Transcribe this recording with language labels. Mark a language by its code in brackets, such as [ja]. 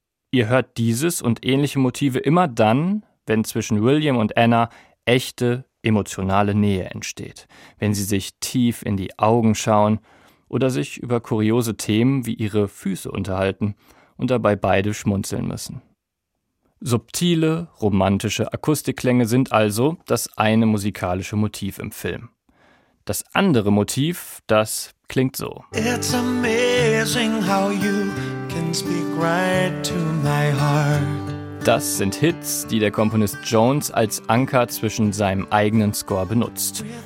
[de] Ihr hört dieses und ähnliche Motive immer dann, wenn zwischen William und Anna echte emotionale Nähe entsteht, wenn sie sich tief in die Augen schauen oder sich über kuriose Themen wie ihre Füße unterhalten und dabei beide schmunzeln müssen. Subtile, romantische Akustikklänge sind also das eine musikalische Motiv im Film. Das andere Motiv, das klingt so. [en] It's amazing how you can speak right to my heart. [de] Das sind Hits, die der Komponist Jones als Anker zwischen seinem eigenen Score benutzt.